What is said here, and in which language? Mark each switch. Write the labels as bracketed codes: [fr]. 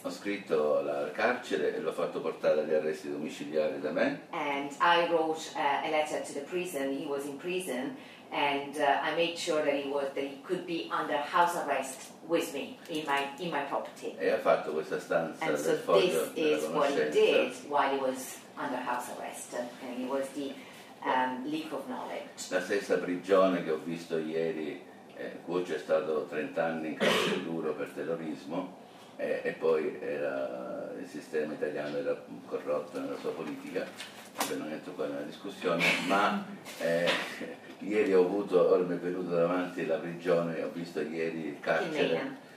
[it] Ho scritto la carcere e l'ho fatto portare agli arresti domiciliari da me. [en] And I wrote a letter to the prison, he was in prison, and I made sure that he could be under house arrest with me in my property. [it] E ha fatto questa stanza. [en] And so this is what he did while he was under house arrest, and he was the leak of knowledge. [it] La stessa prigione che ho visto ieri, Cuccio è stato 30 anni in carcere duro per terrorismo, e poi era, il sistema italiano era corrotto nella sua politica, non entro qua nella discussione, ma ieri ho avuto, ora mi è venuto davanti la prigione, ho visto ieri il carcere.